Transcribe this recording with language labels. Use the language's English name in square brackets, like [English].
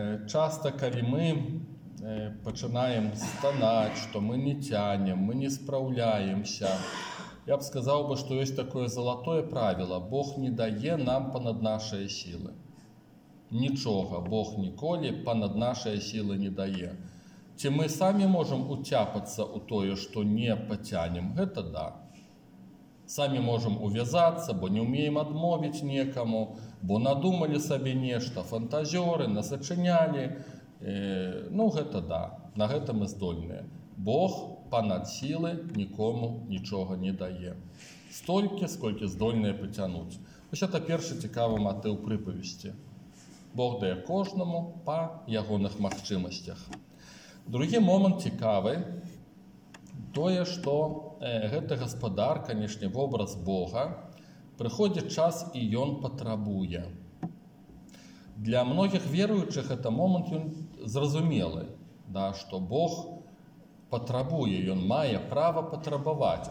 [Belarusian] Часта, калі мы пачынаем станаць, што мы не цянем, мы не спраўляемся, я б сказаў бы, што ёсць такое залатое правіла. Бог не дае нам панад нашыя сілы. Нічога Бог ніколі панад нашыя сілы не дае. Ці мы самі можам уцяпацца ў тое, што не пацянем? Гэта да. [Ukrainian] Самі можемо ув'язатися, бо не вміємо відмовити нікому, бо надумали собі нешто, фантазери, насочиняли. Ну, це да, на це ми здольні. Бог понад сили нікому нічого не дає. Стільки, скільки здольні потягнути. Ось це перший цікавий мотив приповісті. Бог дає кожному по ягоних можливостях. Другий момент цікавий. [Belarusian] Тое, што гэта гаспадар, канешне, вобраз Бога, прыходзіць час і ён патрабуе. Для многіх веруючых гэта момант ён зразумелы, да, што Бог патрабуе, ён мае права патрабаваць.